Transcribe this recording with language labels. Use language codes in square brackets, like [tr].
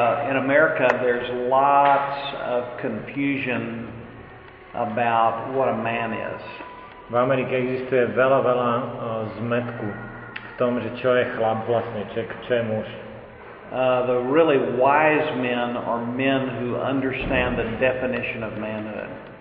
[en] In America there's lots of confusion about what a man is. [sk] V Amerike existuje veľa zmetku v tom, že čo je chlap vlastne, čo je muž. [en] The really wise men are men who understand the definition of manhood.